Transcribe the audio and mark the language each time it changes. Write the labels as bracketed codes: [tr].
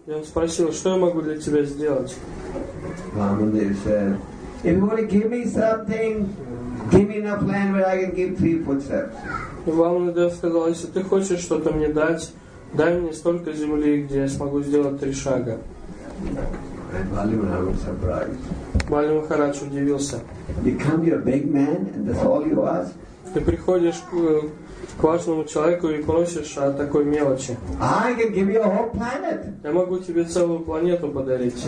[ru] И он спросил, что я могу для тебя сделать. [en] Vamadeva said, "If you want to give me something, give me enough land where I can give 3 footsteps." [ru] Vamadeva сказал, если ты хочешь что-то мне дать, дай мне столько земли, где я смогу сделать 3 шага. [en] And Bali Maharaj was surprised. [ru] Бали Махарадж удивился. [en] You come to a big man and that's all you ask? [ru] Ты приходишь к важному человеку и просишь о такой мелочи. [en] I can give you a whole planet. [ru] Я могу тебе целую планету подарить.